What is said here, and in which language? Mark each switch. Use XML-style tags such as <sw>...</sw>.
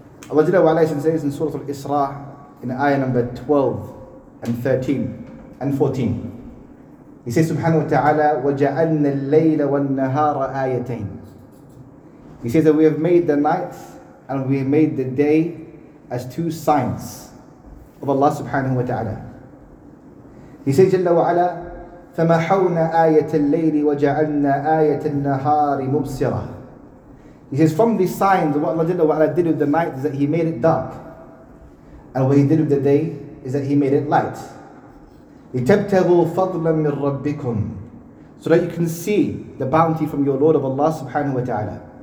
<en>Allah Jalla wa'ala says in Surah Al-Isra, in ayah number 12 and 13 and 14, He says subhanahu wa ta'ala,</en> <ar>وَجَعَلْنَا اللَّيْلَ وَالنَّهَارَ آيَتَيْنِ.</ar> <en>He says that we have made the night and we have made the day as two signs of Allah subhanahu wa ta'ala. He says</en> <ar>jalla wa ala, فَمَحَوْنَا آيَةَ اللَّيْلِ وَجَعَلْنَا آيَةَ النَّهَارِ مُبْصِرَةً.</ar> <en>He says from the signs of what Allah jalla wa ala did with the night is that He made it dark, and what He did with the day is that He made it light.</en> <ar>لِتَبْتَغُوا فَضْلًا مِنْ رَبِّكُمْ,</ar> <en>so that you can see the bounty from your Lord of Allah subhanahu wa ta'ala.</en>